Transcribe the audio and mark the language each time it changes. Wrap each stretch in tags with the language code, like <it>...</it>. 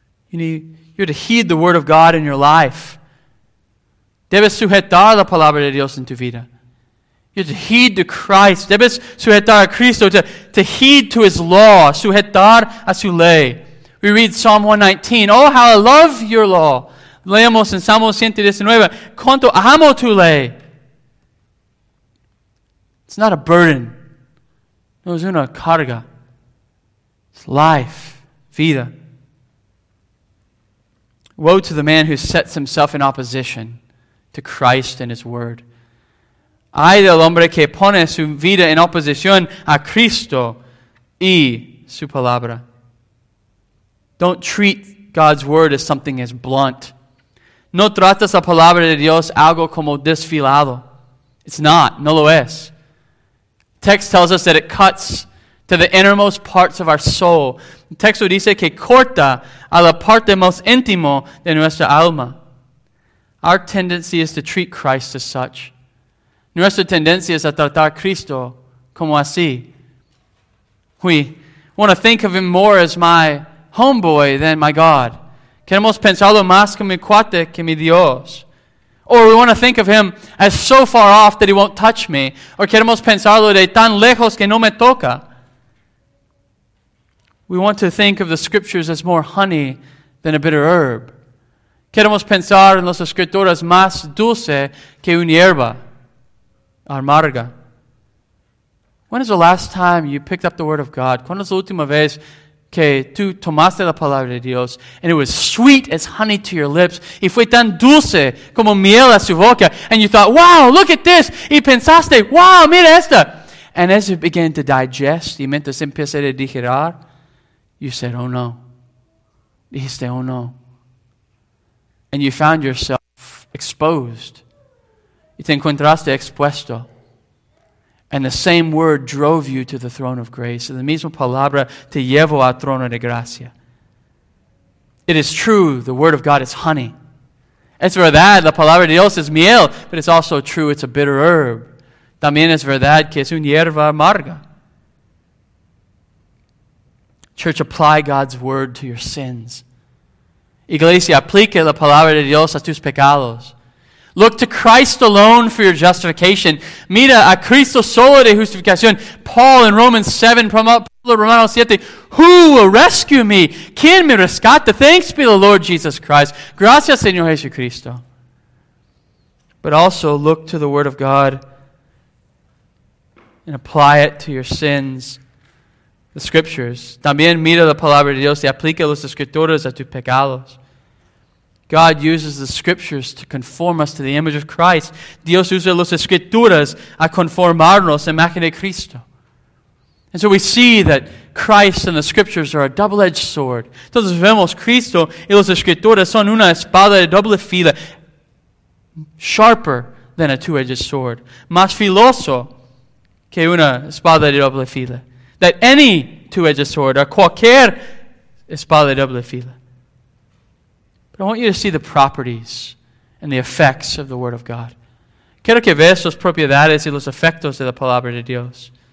<en>You're to heed the Word of God in your life.</en> <es>Debes sujetar la Palabra de Dios en tu vida.</es> <en>You're to heed to Christ.</en> <es>Debes sujetar a Cristo.</es> <en>To heed to His law.</en> <es>Sujetar a su ley.</es> <en>We read Psalm 119. Oh, how I love your law.</en> <es>Leemos en Salmo 119. Cuánto amo tu ley.</es> <en>It's not a burden.</en> <es>No es una carga.</es> <en>It's life, vida. Woe to the man who sets himself in opposition to Christ and His Word.</en> <es>Ay del hombre que pone su vida en oposición a Cristo y su palabra.</es> <en>Don't treat God's Word as something as blunt.</en> <es>No tratas la palabra de Dios algo como desfilado.</es> <en>It's not.</en> <es>No lo es.</es> <en>Text tells us that it cuts to the innermost parts of our soul.</en> <es>El texto dice que corta a la parte más íntimo de nuestra alma.</es> <en>Our tendency is to treat Christ as such.</en> <es>Nuestra tendencia es a tratar a Cristo como así.</es> <en>We want to think of him more as my homeboy than my God.</en> <es>Queremos pensarlo más como mi cuate que mi Dios.</es> <en>Or we want to think of him as so far off that he won't touch me.</en> <es>Or queremos pensarlo de tan lejos que no me toca.</es> <en>We want to think of the scriptures as more honey than a bitter herb.</en> <es>Queremos pensar en las escrituras más dulce que una hierba amarga.</es> <en>When is the last time you picked up the word of God?</en> <es>¿Cuándo es la última vez que tú tomaste la palabra de Dios?</es> <en>And it was sweet as honey to your lips.</en> <es>Y fue tan dulce como miel a su boca.</es> <en>And you thought, wow, look at this.</en> <es>Y pensaste, wow, mira esta.</es> <en>And as it began to digest,</en> <es>y mientras empecé a digerir,</es> <en>you said, oh no.</en> <es>Dijiste, oh no.</es> <en>And you found yourself exposed.</en> <es>Y te encontraste expuesto.</es> <en>And the same word drove you to the throne of grace.</en> <es>La misma palabra te llevó al trono de gracia.</es> <en>It is true, the word of God is honey.</en> <es>Es verdad, la palabra de Dios es miel.</es> <en>But it's also true, it's a bitter herb.</en> <es>También es verdad que es una hierba amarga.</es> <en>Church, apply God's word to your sins.</en> <es>Iglesia, aplique la palabra de Dios a tus pecados.</es> <en>Look to Christ alone for your justification.</en> <es>Mira a Cristo solo de justificación.</es> <en>Paul in Romans 7, Pablo Romanos 7, who will rescue me?</en> <es>¿Quién me rescata?</es> <en>Thanks be the Lord Jesus Christ.</en> <es>Gracias, Señor Jesucristo.</es> <en>But also look to the word of God and apply it to your sins. The scriptures.</en> <es>También mira la palabra de Dios y aplica las escrituras a tus pecados.</es> <en>God uses the scriptures to conform us to the image of Christ.</en> <es>Dios usa las escrituras a conformarnos a la imagen de Cristo.</es> <en>And so we see that Christ and the scriptures are a double-edged sword.</en> <es>Entonces vemos Cristo y las escrituras son una espada de doble fila,</es> <en>sharper than a two-edged sword,</en> <es>más filoso que una espada de doble fila.</es> <en>That any two-edged sword or</en> <es>cualquier espada de doble fila.</es> <en>But I want you to see the properties and the effects of the Word of God.</en> <es>Quiero que veas las propiedades y los efectos de la palabra de Dios.</es>